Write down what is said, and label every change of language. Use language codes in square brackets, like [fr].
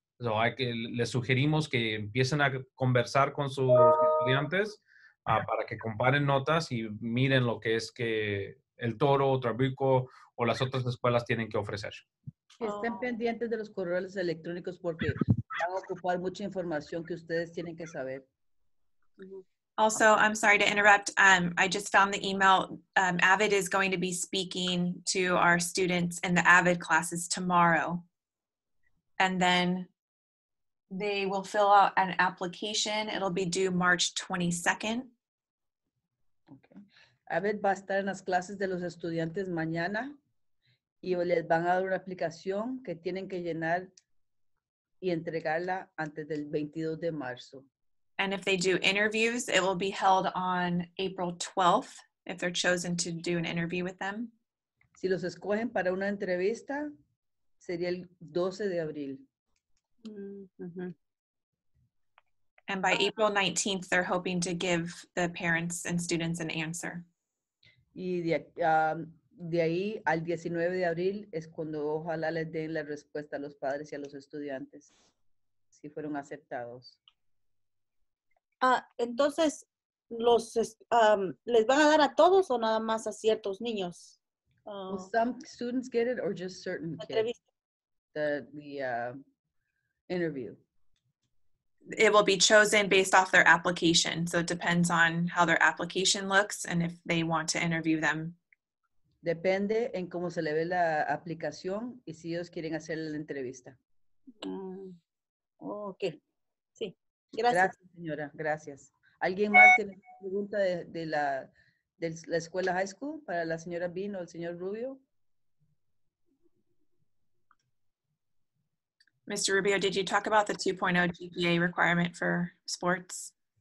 [es] So, les sugerimos que empiecen a conversar con sus estudiantes para que comparen notas y miren lo que es que El Toro, Trabuco o las otras escuelas tienen que ofrecer. Estén pendientes de los correos electrónicos porque van a ocupar mucha información que ustedes tienen que saber. [en] Also, I'm sorry to interrupt. I just found the email. AVID is going to be speaking to our students in the AVID classes tomorrow. And then they will fill out an application. It'll be due March 22nd. Okay. [es] Abed va a estar en las clases de los estudiantes mañana y les van a dar una aplicación que tienen que llenar y entregarla antes del 22 de marzo. [en] And if they do interviews, it will be held on April 12th if they're chosen to do an interview with them. [es] Si los escogen para una entrevista, sería el 12 de abril. Mm-hmm. [en] And by April 19th, they're hoping to give the parents and students an answer. [es] Y de ahí al 19 de abril es cuando ojalá les den la respuesta a los padres y a los estudiantes si fueron aceptados. Entonces, los les van a dar a todos o nada más a ciertos niños? [en] Will some students get it or just certain kids? The interview. It will be chosen based off their application. So it depends on how their application looks and if they want to interview them. [es] Depende en cómo se le ve la aplicación y si ellos quieren hacer la entrevista. Okay. Sí. Gracias. Gracias, señora. Gracias. ¿Alguien más tiene pregunta de la escuela high school para la señora Bean o el señor Rubio? [en] Mr. Rubio, did you talk about the 2.0 GPA requirement for sports?